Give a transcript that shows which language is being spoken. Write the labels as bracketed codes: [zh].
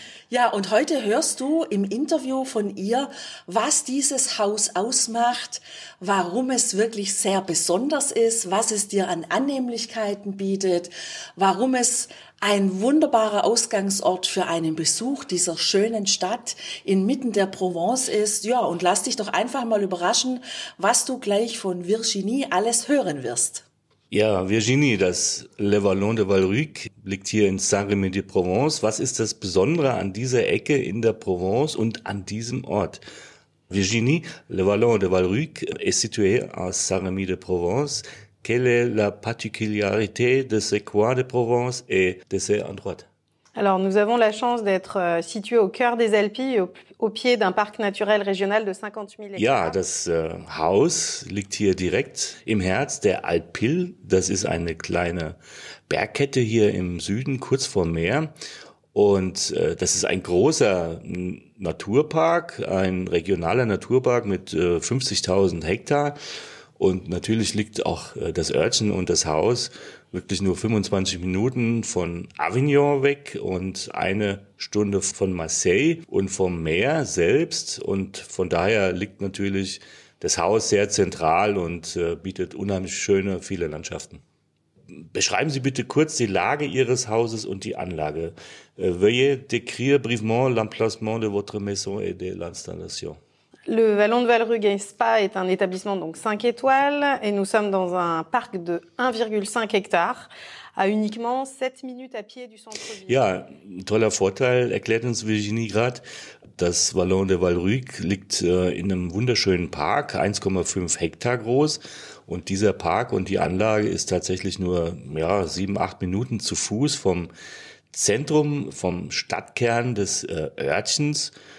[de] Ja, und heute hörst du im Interview von ihr, was dieses Haus ausmacht, warum es wirklich sehr besonders ist, was es dir an Annehmlichkeiten bietet, warum es ein wunderbarer Ausgangsort für einen Besuch dieser schönen Stadt inmitten der Provence ist. Ja, und lass dich doch einfach mal überraschen, was du gleich von Virginie alles hören wirst. Ja, Virginie, das Le Vallon de Valruc liegt hier in Saint-Rémy-de-Provence. Was ist das Besondere an dieser Ecke in der Provence und an diesem Ort? [fr] Virginie, Le Vallon de Valruc est situé à Saint-Rémy-de-Provence. Quelle est la particularité de ce coin de Provence et de cet endroit? Alors, nous avons la chance d'être situé au cœur des Alpes, au pied d'un parc naturel régional de 50 000 [de] hectares. Ja, das Haus liegt hier direkt im Herz der Alpille. Das ist eine kleine Bergkette hier im Süden, kurz vorm Meer. Und das ist ein großer Naturpark, ein regionaler Naturpark mit 50.000 Hektar. Und natürlich liegt auch das Örtchen und das Haus wirklich nur 25 Minuten von Avignon weg und eine Stunde von Marseille und vom Meer selbst. Und von daher liegt natürlich das Haus sehr zentral und bietet unheimlich schöne, viele Landschaften. Beschreiben Sie bitte kurz die Lage Ihres Hauses und die Anlage. [fr] Veuillez décrire brièvement l'emplacement de votre maison et de l'installation. Le Vallon de Valruc Spa est un établissement donc 5 étoiles et nous sommes dans un parc de 1,5 hectare à uniquement 7 minutes à pied du centre-ville. [de] Ja, toller Vorteil, erklärt uns Virginie gerade. Das Vallon de Valruc liegt in einem wunderschönen Park, 1,5 Hektar groß. Und dieser Park und die Anlage ist tatsächlich nur 7-8 Minuten zu Fuß vom Zentrum, vom Stadtkern des Örtchens.